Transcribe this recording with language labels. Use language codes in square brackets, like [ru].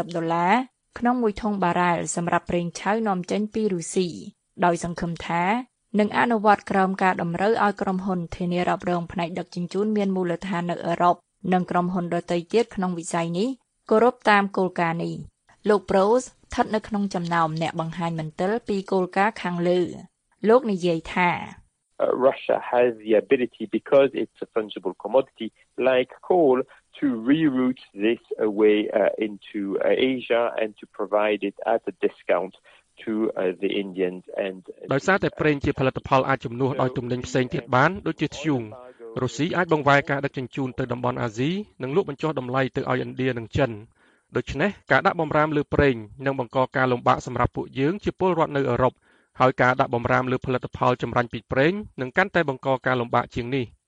[km] $60ក្នុងមួយធុងបារ៉ែលសម្រាប់ប្រេងឆៅនាំចេញពីរុស្ស៊ីដោយសង្ឃឹមថានឹងអនុវត្តក្រមការតម្រូវឲ្យក្រុមហ៊ុនធានារ៉ាប់រងផ្នែកដឹកជញ្ជូនមានមូលដ្ឋាននៅអឺរ៉ុបនិងក្រុមហ៊ុនដទៃទៀតក្នុងវិស័យនេះគោរពតាមគោលការណ៍នេះលោក Bros ស្ថិតនៅក្នុងចំណោមអ្នកបង្ហាញមន្ទិលពីគោលការណ៍ខាងលើលោកនិយាយថា [en] Russia has the ability, because it's a fungible commodity like coal, to reroute this away into Asia and to provide it at a discount to the Indians. And [km] ដោយសារតែប្រេងជាផលិតផលអាចជំនួសដោយទំនិញផ្សេងទៀតបានដូចជាធ្យូងរុស្ស៊ីអាចបង្វែរការដឹកជញ្ជូនទៅតំបន់អាស៊ីនិងលក់បញ្ចុះតម្លៃទៅឲ្យឥណ្ឌានិងចិនដូច្នេះការដាក់បំរាមលើប្រេងនឹងបង្កការលំបាកសម្រាប់ពួកយើងជាពលរដ្ឋនៅអឺរ៉ុបហើយការដាក់បំរាមលើផលិតផលចម្រាញ់ពីប្រេងនឹងកាន់តែបង្កការលំបាកជាងនេះ